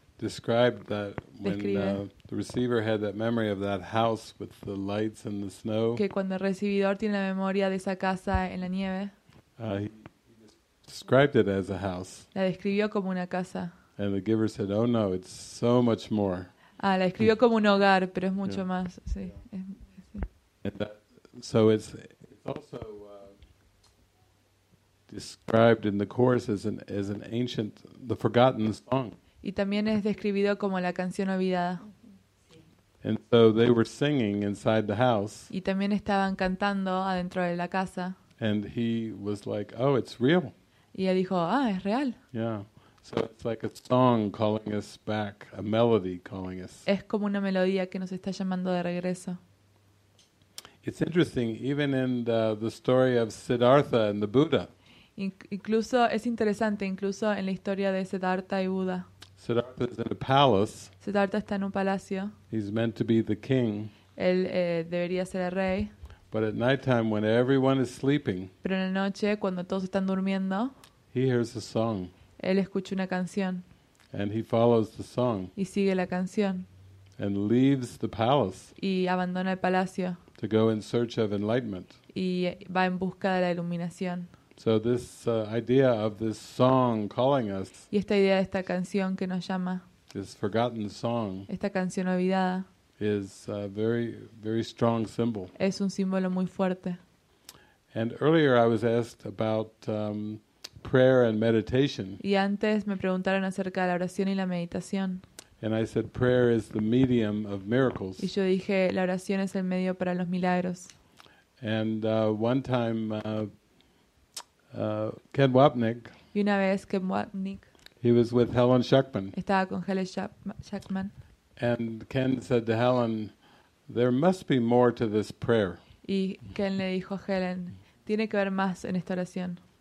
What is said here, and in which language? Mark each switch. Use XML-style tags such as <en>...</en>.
<en>Described that when the receiver had that memory of that house with the lights and the snow.</en> <es>Que cuando el recibidor tiene la memoria de esa casa en la nieve.</es> <en>He described it as a house.</en> <es>La describió como una casa.</es> <en>And the giver said, "Oh no, it's so much more."</en> <es>Ah, la describió como un hogar, pero es mucho más. Sí.</es> <en>So it's also described in the chorus as an ancient, the forgotten song.</en> <es>Y también es descrito como la canción olvidada.</es> <en>And so they were singing inside the house.</en> <es>Y también estaban cantando adentro de la casa.</es> <en>And he was like, "Oh, it's real."</en> <es>Y él dijo, "Ah, es real."</es> <en>Yeah. So it's like a song calling us back, a melody calling us.</en> <es>Es como una melodía que nos está llamando de regreso.</es> <en>It's interesting even in the story of Siddhartha and the Buddha.</en> <es>Incluso es interesante incluso en la historia de Siddhartha y Buda.</es> <en>Siddhartha is in a palace.</en> <es>Siddhartha está en un palacio.</es> <en>He's meant to be the king.</en> <es>Él debería ser el rey.</es> <en>But at nighttime, when everyone is sleeping,</en> <es>pero en la noche, cuando todos están durmiendo,</es> <en>he hears a song.</en> <es>Él escucha una canción.</es> <en>And he follows the song.</en> <es>Y sigue la canción.</es> <en>And leaves the palace.</en> <es>Y abandona el palacio.</es> <en>To go in search of enlightenment.</en> <es>Y va en busca de la iluminación.</es> <en>So this idea of this song calling us.</en> <es>Y esta idea de esta canción que nos llama.</es> <en>This forgotten song.</en> <es>Esta canción olvidada.</es> <en>Is a very, very strong symbol.</en> <es>Es un símbolo muy fuerte.</es> <en>And earlier I was asked about prayer and meditation.</en> <es>Y antes me preguntaron acerca de la oración y la meditación.</es> <en>And I said prayer is the medium of miracles.</en> <es>Y yo dije la oración es el medio para los milagros.</es> <en>And one time Ken Wapnick.</en> <es>Y una vez Ken Wapnick.</es> <en>He was with Helen Schuckman.</en> <es>Estaba con Helen Schuckman.</es> <en>And Ken said to Helen, "There must be more to this prayer."</en> <es>Y Ken le dijo a Helen, "Tiene que haber más en esta oración."</es>